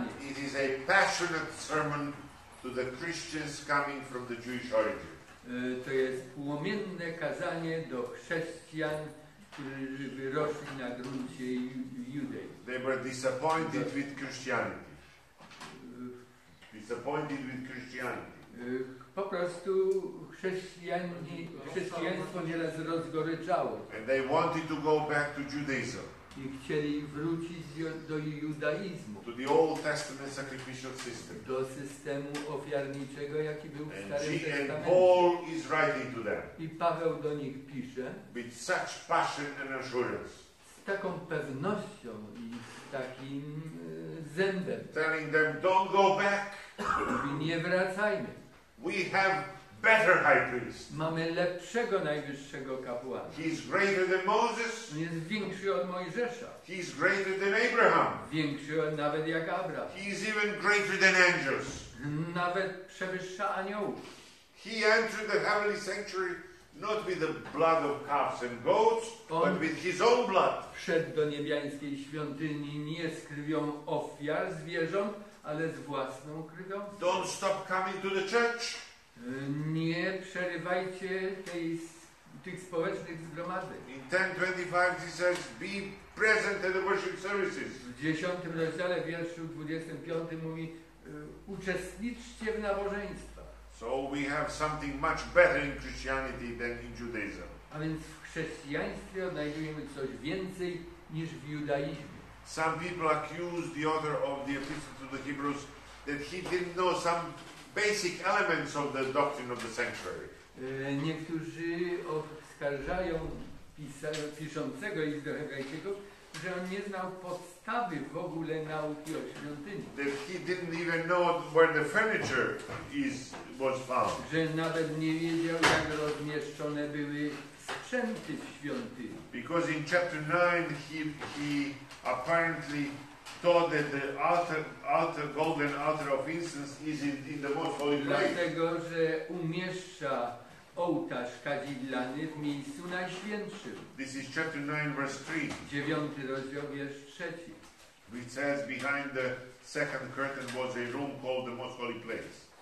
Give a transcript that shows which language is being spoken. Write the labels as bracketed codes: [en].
[en] It is a passionate sermon to the Christians coming from the Jewish origin. [pl] To jest płomienne kazanie do chrześcijan, którzy wyrośli na gruncie Judei. [en] They were disappointed with Christianity. Disappointed with Christianity. [pl] Po prostu chrześcijaństwo nieraz rozgoryczało. [en] And they wanted to go back to Judaism. [pl] I chcieli wrócić do judaizmu. [en] To the Old Testament sacrificial system. [pl] Do systemu ofiarniczego, jaki był w Starym Testamencie. [en] And Paul is writing to them. [pl] I Paweł do nich pisze. [en] With such passion and assurance. [pl] Z taką pewnością i z takim zębem. [en] Telling them, don't go back. [pl] I nie wracajmy. [en] We have better high priest. [pl] Mamy lepszego najwyższego kapłana. [en] He is greater than Moses. [pl] On jest większy od Mojżesza. [en] He is greater than Abraham. [pl] Większy nawet jak Abraham. [en] He is even greater than angels. [pl] Nawet przewyższa aniołów. [en] He entered the heavenly sanctuary not with the blood of calves and goats, but with his own blood. [pl] Wszedł do niebiańskiej świątyni nie z krwią ofiar zwierząt, ale z własną krwią. [en] Don't stop coming to the church. [pl] Nie przerywajcie tej tych społecznych zgromadzeń. [en] In 10:25 he says, be present at the worship services. [pl] W 10 rozdziale wierszu 25 mówi, uczestniczcie w nabożeństwach. [en] So we have something much better in Christianity than in Judaism. [pl] A więc w chrześcijaństwie odnajdujemy coś więcej niż w judaizmie. [en] Some people accuse the author of the Epistle to the Hebrews that he didn't know some basic elements of the doctrine of the sanctuary. [pl] Niektórzy oskarżają piszącego list do Hebrajczyków, że on nie znał podstawy w ogóle nauki o świątyni. [en] That he didn't even know where the furniture is, was found. [pl] Że nawet nie wiedział, jak rozmieszczone były sprzęty w świątyni. [en] Because in chapter 9 he apparently thought that the altar, golden altar of incense is in the most holy place. [pl] Dlatego, że umieszcza ołtarz kadzidlany w miejscu najświętszym. [en] This is chapter 9, verse 3. [pl] 9 rozdział, wiersz 3. [en] Which says behind the second curtain was a room called the most holy place.